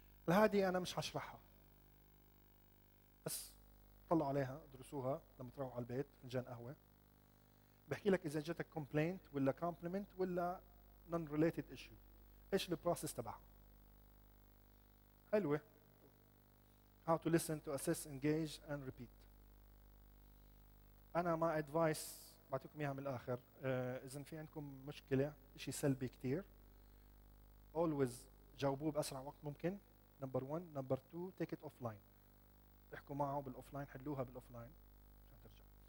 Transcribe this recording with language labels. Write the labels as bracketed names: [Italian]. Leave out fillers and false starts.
[Arabic] هذه انا مش هشرحها، بس طلعوا عليها درسوها لما تروحوا على البيت فنجان قهوه. بحكي لك اذا جاتك كومبلينت ولا كومبلمنت ولا نون ريليتد ايشو ايش البروسيس تبعها. حلوه. [English] How to listen to assess engage and repeat. [Arabic] انا ما ادفايس بعطيكم اياها من الاخر، اذا في عندكم مشكله شيء سلبي كثير اولويز جاوبوه باسرع وقت ممكن. نمبر 1، نمبر 2 [English] take it offline, [Arabic] احكوا معه بالاوفلاين، حلوها بالاوفلاين عشان ترجع.